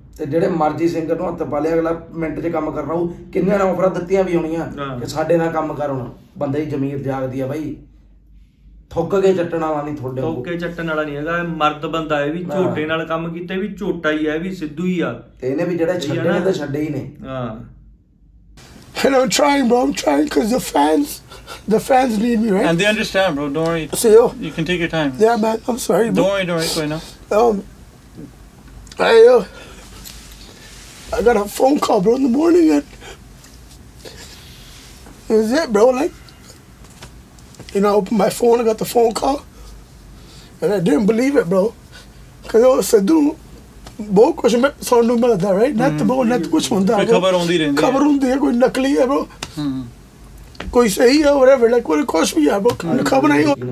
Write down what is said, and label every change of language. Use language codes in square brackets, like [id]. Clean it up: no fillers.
[pa] ਤੇ ਜਿਹੜੇ ਮਰਜ਼ੀ ਸਿੰਗਰ ਨੂੰ ਹੱਥ ਪਾ ਲਿਆ ਅਗਲਾ ਮਿੰਟ 'ਚ ਕੰਮ ਕਰਨਾ ਉਹ ਕਿੰਨੀਆਂ ਨੇ ਔਫਰਾਂ ਦਿੱਤੀਆਂ ਵੀ ਹੋਣੀਆਂ ਕਿ ਸਾਡੇ ਨਾਲ ਕੰਮ ਕਰੋ ਬੰਦੇ ਦੀ ਜ਼ਮੀਰ ਜਾਗਦੀ ਆ ਬਾਈ ਥੁੱਕ ਕੇ ਚੱਟਣ ਵਾਲਾ ਨਹੀਂ ਤੁਹਾਡੇ ਥੁੱਕ ਕੇ ਚੱਟਣ ਵਾਲਾ ਨਹੀਂ ਹੈਗਾ ਮਰਦ ਬੰਦਾ ਹੈ ਵੀ ਝੋਟੇ ਨਾਲ ਕੰਮ ਕੀਤਾ ਵੀ ਝੋਟਾ ਹੀ ਹੈ ਵੀ ਸਿੱਧੂ ਹੀ ਆ ਤੇ ਇਹਨੇ ਵੀ ਜਿਹੜੇ ਛੱਡੇ ਨੇ ਤਾਂ ਛੱਡੇ ਹੀ ਨੇ ਹਾਂ [en] And I'm trying, bro. I'm trying because the fans need me, right? And they understand, bro. Don't worry. See, yo. You can take your time. Yeah, man. I'm sorry. Don't worry. Don't worry. Wait, no. I got a phone call, bro, in the morning, and it was it, bro. Like, you know, I opened my phone. I got the phone call, and I didn't believe it, bro. Because I said, dude. [pa] ਬਹੁਤ ਕੁਛ ਮੈਂ ਸੁਣਨ ਨੂੰ ਮਿਲਦਾ right net ਬਹੁਤ net ਕੁਛ ਹੁੰਦਾ ਖਬਰ ਹੁੰਦੀ ਰਹਿੰਦੀ ਖਬਰ ਹੁੰਦੀ ਹੈ ਕੋਈ ਨਕਲੀ ਹੈ ਬ੍ਰੋ ਕੋਈ ਸਹੀ ਹੈ ਹੋਰ ਵੇਲੇ ਕੋਈ ਕੁਛ ਵੀ ਹੈ ਬ੍ਰੋ ਖਬਰ ਨਹੀਂ